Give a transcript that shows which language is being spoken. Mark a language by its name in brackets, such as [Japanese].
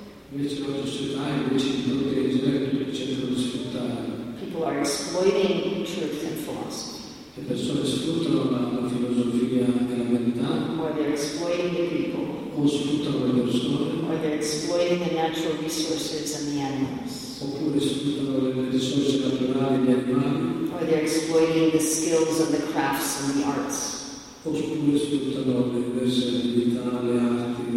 [Italian] Invece la società invece di proteggere tutti cercano di sfruttare. [English] People are exploiting truth and philosophy. [Italian] Le persone sfruttano la filosofia e la verità. [English] Or they're exploiting the people. [Italian] O sfruttano le persone. [English] Or they're exploiting the natural resources and the animals. [Italian] Oppure sfruttano le risorse naturali e gli animali. [English] Or they're exploiting the skills and the crafts and the arts. [Italian] Oppure sfruttano le diverse abilità, le arti.